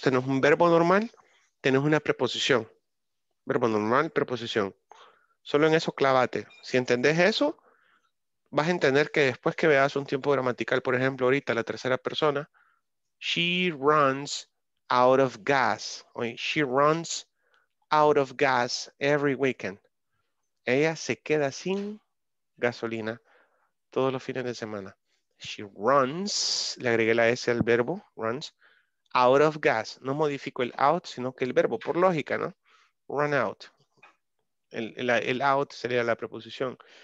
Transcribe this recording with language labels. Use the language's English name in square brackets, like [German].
[Spanish] Tenemos un verbo normal, tenemos una preposición. Verbo normal, preposición. Solo en eso clávate. Si entendés eso, vas a entender que después que veas un tiempo gramatical, por ejemplo, ahorita la tercera persona, [English] she runs out of gas. Oye, she runs out of gas every weekend. [Spanish] Ella se queda sin gasolina todos los fines de semana. [English] She runs, [Spanish] le agregué la S al verbo, [English] runs, out of gas. [Spanish] No modifico el out, sino que el verbo, por lógica, ¿no? Run out. El out sería la preposición.